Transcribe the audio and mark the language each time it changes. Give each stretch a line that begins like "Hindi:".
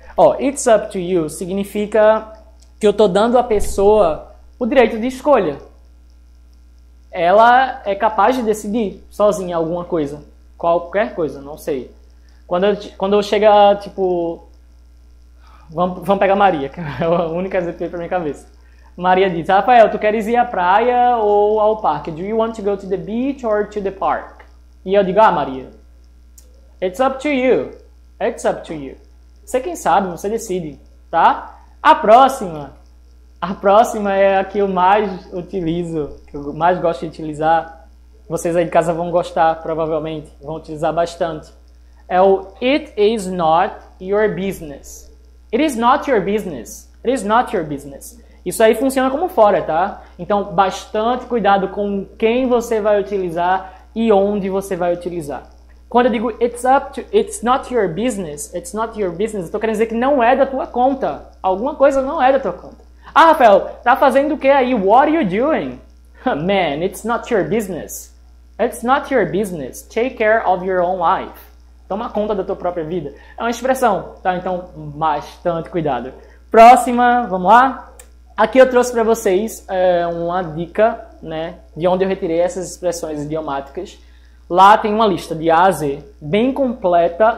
Portuguese: Ó,
English: it's up to you
Portuguese: significa que eu tô dando à pessoa o direito de escolha. Ela é capaz de decidir sozinha alguma coisa. Qualquer coisa, não sei. Quando eu chego, tipo... Vamos pegar Maria, que é o único exemplo que veio pra minha cabeça. Maria diz, Rafael, tu queres ir à praia ou ao parque?
English: Do you want to go to the beach or to the park?
Portuguese: E eu digo, ah,
English: Maria, it's up to you. It's up to you.
Portuguese: Você quem sabe, você decide, tá? A próxima é a que eu mais utilizo, que eu mais gosto de utilizar. Vocês aí de casa vão gostar, provavelmente. Vão utilizar bastante. É o
English: it is not your business. It is not your business. It is not your business.
Portuguese: Isso aí funciona como fora, tá? Então, bastante cuidado com quem você vai utilizar e onde você vai utilizar. Quando eu digo
English: it's not your business,
Portuguese: it's not your business, eu tô querendo dizer que não é da tua conta. Alguma coisa não é da tua conta. Ah, Rafael, tá fazendo o que aí?
English: What are you doing? Man, it's not your business. It's not your business. Take care of your own life.
Portuguese: Toma conta da tua própria vida. É uma expressão, tá? Então, bastante cuidado. Próxima, vamos lá? Aqui eu trouxe pra vocês uma dica, né? De onde eu retirei essas expressões idiomáticas. Lá tem uma lista de A a Z, bem completa.